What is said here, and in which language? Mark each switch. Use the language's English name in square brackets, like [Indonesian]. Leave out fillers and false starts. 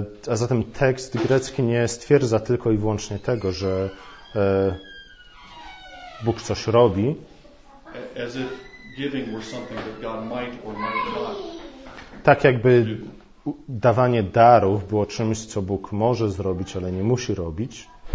[Polish] A zatem tekst grecki nie stwierdza tylko i wyłącznie tego, że Bóg coś robi, [English] as if giving were something that God might or might not. [Polish] Tak jakby dawanie darów było czymś, co Bóg może zrobić, ale nie musi robić.